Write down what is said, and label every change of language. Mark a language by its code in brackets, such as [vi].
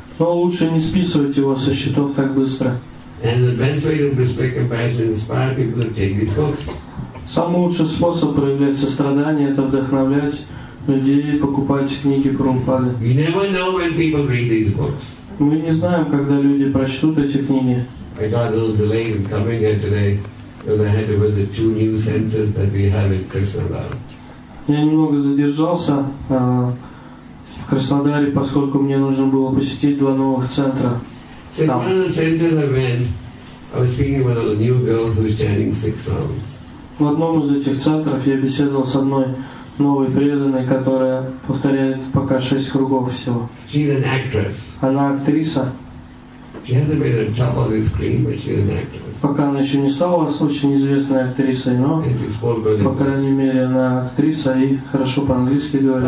[ru] Но лучше не списывать его со счетов так быстро. [en] And the best way to respect compassion is inspire people to take these books. [ru] Самый лучший способ проявлять сострадание — это вдохновлять людей покупать книги Прабхупады. [en] We never know when people read these books. [ru] Мы не знаем, когда люди прочтут эти книги. [en] I got a little delay in coming here today because I had to visit two new centers that we have in Krishnadar. [ru] Я немного задержался в Краснодаре, поскольку мне нужно было посетить два новых центра. [en] So in one of the centers I went, I was speaking with a new girl who was chanting six rounds. [ru] В одном из этих центров я беседовал с одной новой преданной, которая повторяет пока шесть кругов всего. [en] She's an actress. [ru] Она актриса. [en] She hasn't been on top of the screen, but she's an actress. [ru] Пока она еще не стала очень известной актрисой, но по крайней мере она актриса и хорошо по-английски говорит.